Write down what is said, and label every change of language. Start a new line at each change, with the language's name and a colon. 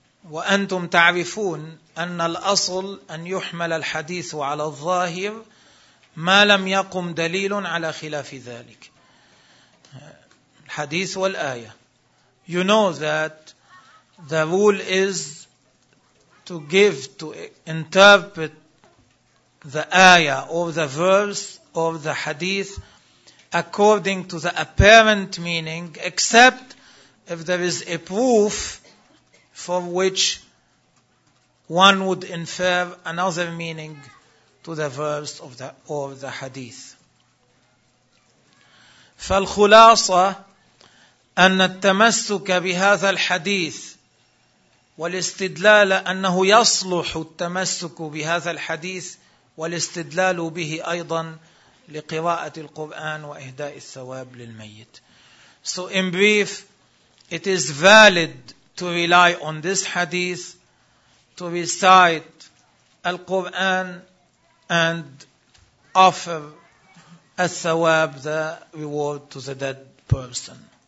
Arabic: وأنتم تعرفون أن الأصل أن يحمل الحديث على الظاهر ما لم يقم دليل على خلاف ذلك. الحديث والآية.
English: You know that the rule is to give, to interpret the ayah or the verse or the hadith according to the apparent meaning, except if there is a proof for which one would infer another meaning to the verse of the or the hadith.
Arabic: فالخلاصة أن التمسك بهذا الحديث والاستدلال أنه يصلح التمسك بهذا الحديث والاستدلال به أيضا لقراءة القرآن وإهداء الثواب للميت.
English: So in brief, it is valid to rely on this hadith, to recite Al-Quran and offer Al-Thawab, the reward to the dead person.